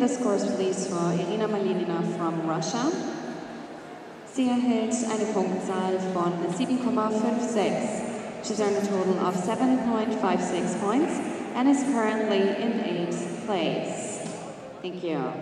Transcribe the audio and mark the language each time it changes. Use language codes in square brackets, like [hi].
[en] The scores, please, for Irina Malinina from Russia. [de] Sie erhält eine Punktzahl von 7,56. [en] She's earned a total of 7.56 points and is currently in 8th place. place. Thank you.